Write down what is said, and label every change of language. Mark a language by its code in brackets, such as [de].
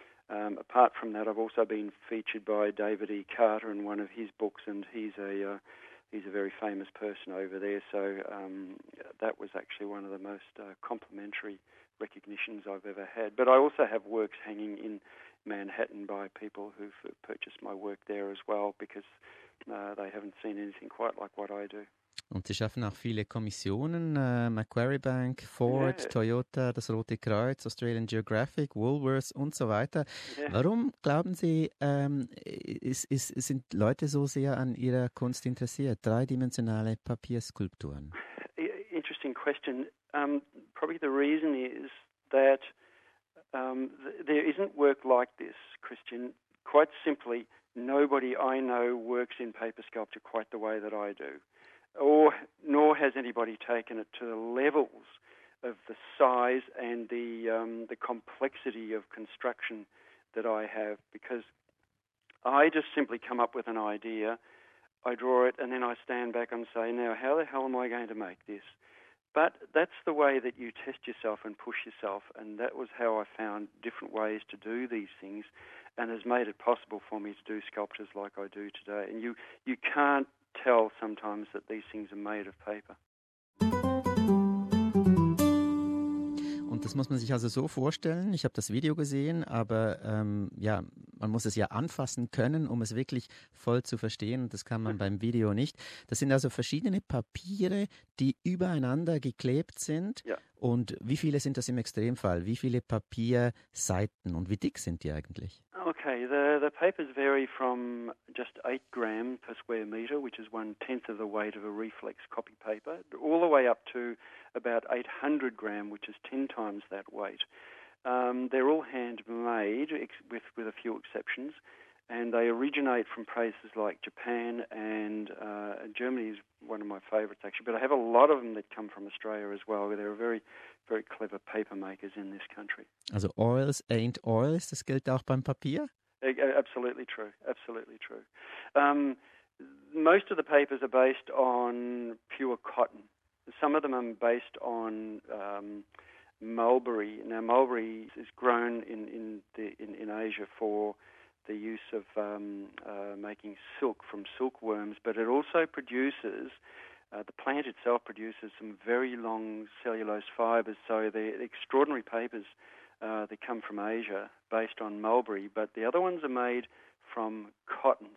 [en] Apart from that, I've also been featured by David E. Carter in one of his books, and he's a very famous person over there. So that was actually one of the most complimentary recognitions I've ever had. But I also have works hanging in Manhattan by people who've purchased my work there as well, because they haven't seen anything quite like what I do. [de] Und Sie schaffen auch viele Kommissionen, Macquarie Bank, Ford, yeah. Toyota, das Rote Kreuz, Australian Geographic, Woolworths und so weiter. Yeah. Warum, glauben Sie, sind Leute so sehr an Ihrer Kunst interessiert? Dreidimensionale Papierskulpturen. [en] Interesting question. Probably the reason is that there isn't work like this, Christian. Quite simply, nobody I know works in paper sculpture quite the way that I do. Nor has anybody taken it to the levels of the size and the complexity of construction that I have, because I just simply come up with an idea, I draw it, and then I stand back and say, now, how the hell am I going to make this? But that's the way that you test yourself and push yourself, and that was how I found different ways to do these things and has made it possible for me to do sculptures like I do today. And you can't tell sometimes that these things are made of paper. [de] Und das muss man sich also so vorstellen, ich habe das Video gesehen, aber man muss es ja anfassen können, um es wirklich voll zu verstehen, und das kann man beim Video nicht. Das sind also verschiedene Papiere, die übereinander geklebt sind. Ja. Und wie viele sind das im Extremfall? Wie viele Papierseiten und wie dick sind die eigentlich? [en] Okay, the papers vary from just 8 gram per square meter, which is 1/10 of the weight of a reflex copy paper, all the way up to about 800 gram, which is 10 times that weight. They're all handmade, with a few exceptions, and they originate from places like Japan and Germany is one of my favourites, actually. But I have a lot of them that come from Australia as well. There are very, very clever paper makers in this country. [de] Also [en] oils ain't oils, [de] das gilt auch beim Papier? [en] Absolutely true, absolutely true. Most of the papers are based on pure cotton. Some of them are based on mulberry. Now, mulberry is grown in Asia for the use of making silk from silkworms, but it also produces, the plant itself produces some very long cellulose fibers, so they're extraordinary papers that come from Asia based on mulberry, but the other ones are made from cotton.